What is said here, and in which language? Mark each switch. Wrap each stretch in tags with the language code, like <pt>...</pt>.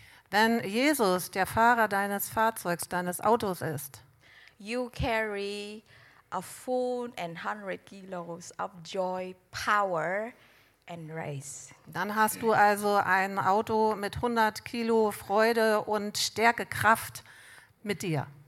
<de>Wenn Jesus der Fahrer deines Fahrzeugs, deines Autos ist.</de> <en>You carry a full and 100 kilos of joy, power. And race.</en> <de>Dann hast du also ein Auto mit 100 Kilo Freude und Stärke, Kraft mit dir.</de>